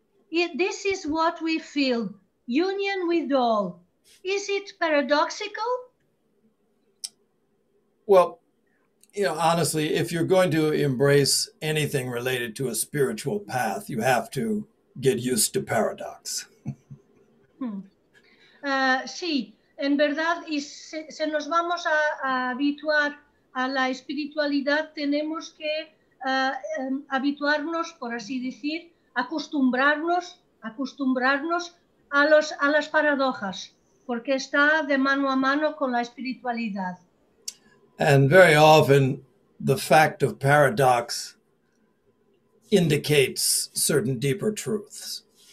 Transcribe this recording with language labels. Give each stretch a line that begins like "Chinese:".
English: This is what we feel, union with all. Is it paradoxical? Well, you know, honestly, if you're going to embrace anything related to a spiritual path, you have to get used to paradox.
Spanish: Sí, en verdad, y se nos vamos a habituar a la espiritualidad, tenemos que habituarnos, por así decir, acostumbrarnos a las paradojas, porque está de mano a mano con la espiritualidad.
English: And very often the fact of paradox indicates certain deeper truths.